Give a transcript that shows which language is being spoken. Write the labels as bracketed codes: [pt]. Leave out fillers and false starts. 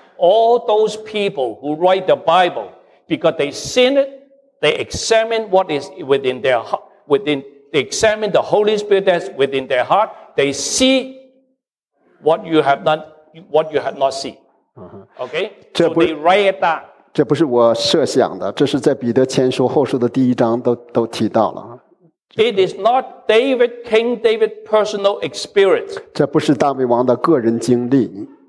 [en] all those people who write the Bible, because they seen it, they examine what is within their heart, they examine the Holy Spirit that's within their heart, they see what you have done, what you have not seen. Okay? So they write it down. [zh] 这不是我设想的，这是在彼得前书后书的第一章都提到了。 [en] It is not David, King David's personal experience. [zh] 这不是大卫王的个人经历。